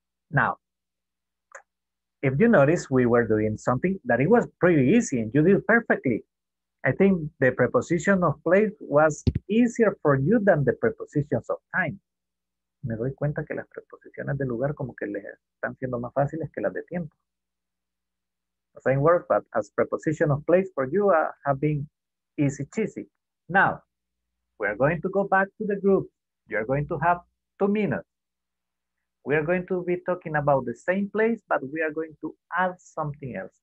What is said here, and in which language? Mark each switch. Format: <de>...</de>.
<en>Now, if you notice, we were doing something that it was pretty easy and you did perfectly. I think the preposition of place was easier for you than the prepositions of time.</en> <es>Me doy cuenta que las preposiciones de lugar como que les están siendo más fáciles que las de tiempo.</es> <en>The same word, but as preposition of place for you have been easy cheesy. Now, we are going to go back to the group. You are going to have 2 minutes. We are going to be talking about the same place, but we are going to add something else.</en>